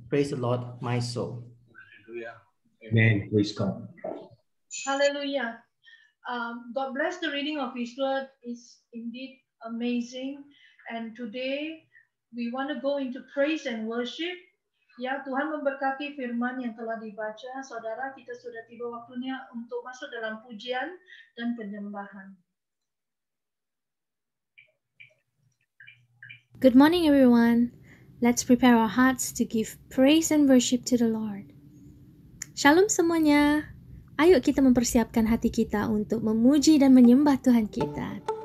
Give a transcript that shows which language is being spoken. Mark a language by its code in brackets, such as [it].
[en] Praise the Lord, my soul. Hallelujah. Amen. Praise God. Hallelujah. God bless the reading of his word. It's indeed amazing. And today, we want to go into praise and worship. [ms] Ya, Tuhan memberkati firman yang telah dibaca. Saudara, kita sudah tiba waktunya untuk masuk dalam pujian dan penyembahan. [en] Good morning, everyone. Let's prepare our hearts to give praise and worship to the Lord. [ms] Shalom semuanya. Ayo kita mempersiapkan hati kita untuk memuji dan menyembah Tuhan kita.